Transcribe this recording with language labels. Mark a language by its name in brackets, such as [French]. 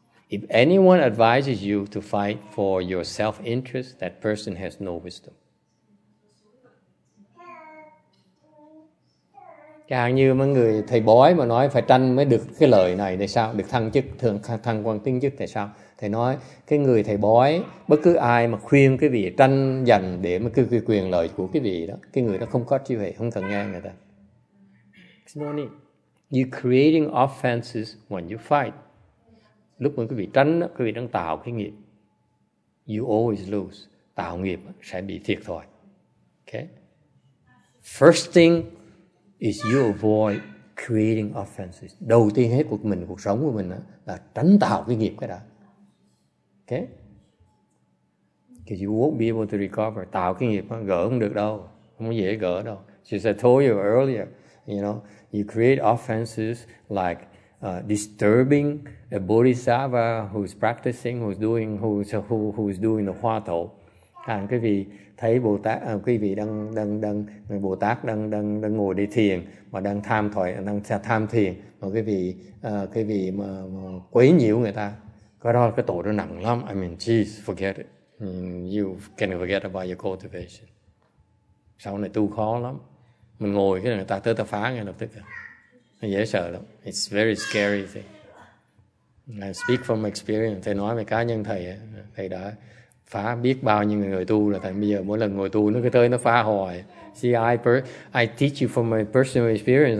[English] If anyone advises you to fight for your self-interest, that person has no wisdom. [Vietnamese] Chẳng như mấy người thầy bói mà nói phải tranh mới được cái lợi này thì sao? Được thăng chức, thăng quan tiến chức thì sao? Thầy nói, cái người thầy bói, bất cứ ai mà khuyên cái vị tranh giành để mà cứ cái quyền lợi của cái vị đó, cái người đó không có trí huệ, không cần nghe người ta. [English] It's no need. You're creating offenses when you fight. [Vietnamese] Lúc mà quý vị tranh, quý vị đang tạo cái nghiệp. [English] You always lose. [Vietnamese] Tạo nghiệp sẽ bị thiệt thòi. [English] Okay? First thing is you avoid creating offenses. [Vietnamese] Đầu tiên hết cuộc mình, cuộc sống của mình là tránh tạo cái nghiệp cái đã. [English] Okay? Because you won't be able to recover. [Vietnamese] Tạo cái nghiệp gỡ không được đâu. Không dễ gỡ đâu. [English] Just I told you earlier, you know, you create offenses like disturbing a bodhisattva who's practicing, who's doing the hoa thổ. [Vietnamese] Hàng quý vị thấy Bồ Tát, quý vị đang Bồ Tát đang ngồi đi thiền mà đang tham thiền mà quý vị mà quấy nhiễu người ta, cái đó cái tội nó nặng lắm. [English] I mean, geez, forget it. You can forget about your cultivation. [Vietnamese] Sau này tu khó lắm. Mình ngồi cái người ta tới ta phá ngay lập tức. Dễ sợ lắm. [English] It's very scary thing. I speak from experience. [Vietnamese] Thầy nói về cá nhân thầy, thầy đã phá biết bao nhiêu người tu, là tại bây giờ mỗi lần ngồi tu nó cứ tới nó phá hoài. [English] See, I teach you from my personal experience.